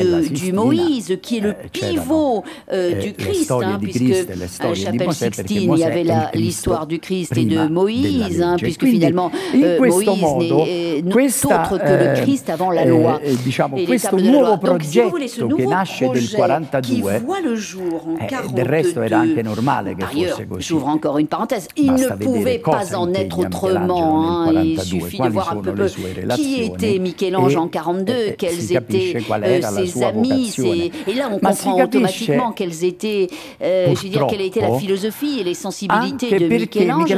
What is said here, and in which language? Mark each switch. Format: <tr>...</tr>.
<fr>du Moïse, qui est le pivot du Christ, puisque à la chapelle Sixtine, il y avait l'histoire du Christ et de Moïse, puisque</fr> <it>quindi,</it> <fr>finalement Moïse n'est autre que le Christ avant la loi.</fr> <it>Diciamo, questo nuovo progetto che nasce del 42,</it> <fr>qui voit le jour en 42,</fr> <it>del resto era anche normale che fosse così.</it> <fr>J'ouvre encore une parenthèse, il ne pouvait pas en être autrement. Il suffit de voir un peu qui était Michel-Ange en 42, quels étaient ses amis, et là on comprend automatiquement quelles étaient, je veux dire, quelle était la philosophie et les sensibilités de Michel-Ange.</fr>